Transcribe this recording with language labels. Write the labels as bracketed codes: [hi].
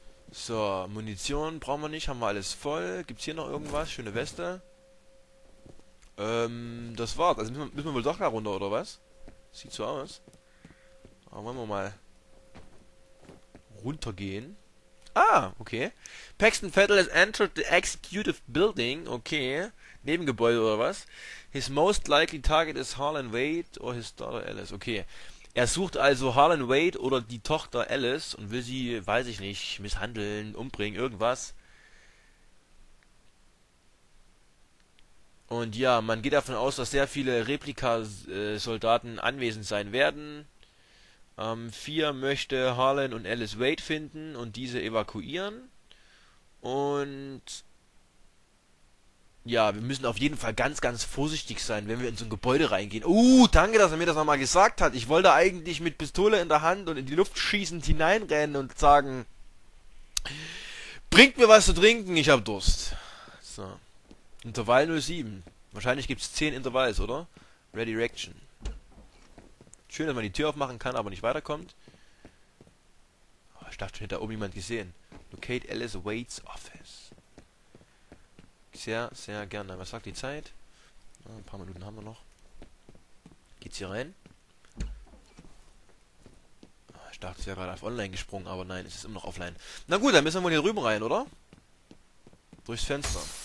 [de] So, Munition brauchen wir nicht. Haben wir alles voll. Gibt's hier noch irgendwas? Schöne Weste. Das war's. Also müssen wir wohl doch da runter, oder was? Sieht so aus. Aber wollen wir mal runtergehen. Ah, okay. [en] Paxton Fettel has entered the executive building. Okay. [de] Nebengebäude oder was? [en] His most likely target is Harlan Wade or his daughter Alice. Okay. [de] Er sucht also Harlan Wade oder die Tochter Alice und will sie, weiß ich nicht, misshandeln, umbringen, irgendwas. Und ja, man geht davon aus, dass sehr viele Replika-Soldaten anwesend sein werden. Vier möchte Harlan und Alice Wade finden und diese evakuieren. Und ja, wir müssen auf jeden Fall ganz, ganz vorsichtig sein, wenn wir in so ein Gebäude reingehen. Danke, dass er mir das nochmal gesagt hat. Ich wollte eigentlich mit Pistole in der Hand und in die Luft schießend hineinrennen und sagen, bringt mir was zu trinken, ich habe Durst. So, Intervall 07. Wahrscheinlich gibt es 10 Intervalls, oder? [en] Ready Action. [de] Schön, dass man die Tür aufmachen kann, aber nicht weiterkommt. Oh, ich dachte schon, hätte da oben jemand gesehen. [en] Locate Alice Wade's Office. [de] Sehr, sehr gerne. Was sagt die Zeit? Oh, ein paar Minuten haben wir noch. Geht's hier rein? Oh, ich dachte, es wäre gerade auf Online gesprungen, aber nein, es ist immer noch offline. Na gut, dann müssen wir wohl hier drüben rein, oder? Durchs Fenster.